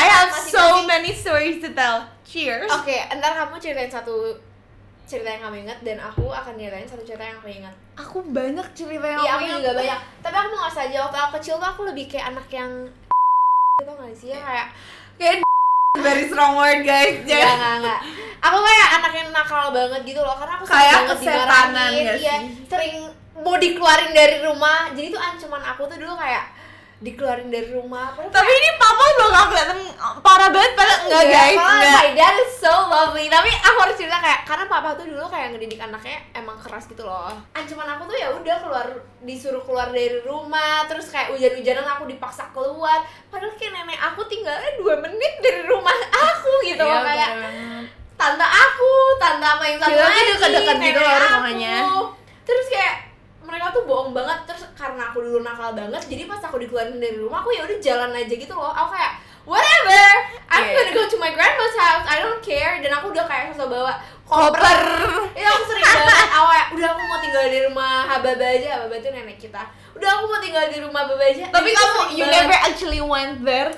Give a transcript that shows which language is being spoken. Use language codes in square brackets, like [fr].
[en] I have so kasih many stories to tell. Cheers. [id] Oke, entar kamu ceritain satu cerita yang kamu ingat dan aku akan ceritain satu cerita yang aku ingat. Aku banyak cerita yang aku ingat. Iya, aku juga banyak. Tapi aku enggak saja waktu aku kecil tuh aku lebih kayak anak yang gitu enggak sih? Kayak [en] very strong word guys. [id] Enggak. Aku kayak anak yang nakal banget gitu loh, karena aku kayak kesetanan ya. Iya, sering mau dikeluarin dari rumah. Jadi tuh ancaman aku tuh dulu kayak dikeluarin dari rumah. Tapi ini papa udah enggak kelihatan parah banget padahal enggak guys. [en] My dad is so lovely. [id] Tapi aku harus cerita kayak karena papa tuh dulu kayak ngedidik anaknya emang keras gitu loh. Ancaman aku tuh ya udah keluar, disuruh keluar dari rumah, terus kayak hujan-hujanan aku dipaksa keluar. Padahal kayak nenek aku tinggalnya 2 menit dari rumah aku gitu loh. Kayak tante aku, tante sama yang satu lagi dekat-dekat gitu loh rumahnya. Terus kayak mereka tuh bohong banget, terus karena aku dulu nakal banget, jadi pas aku dikeluarin dari rumah aku ya udah jalan aja gitu loh. Aku kayak [en] whatever, I'm gonna go to my grandma's house, I don't care. [id] Dan aku udah kayak sosok bawa koper. Itu aku sering banget, awal udah aku mau tinggal di rumah Hababa aja. Hababa itu nenek kita. Udah aku mau tinggal di rumah Hababa aja. Tapi kamu, [en] you never actually went there.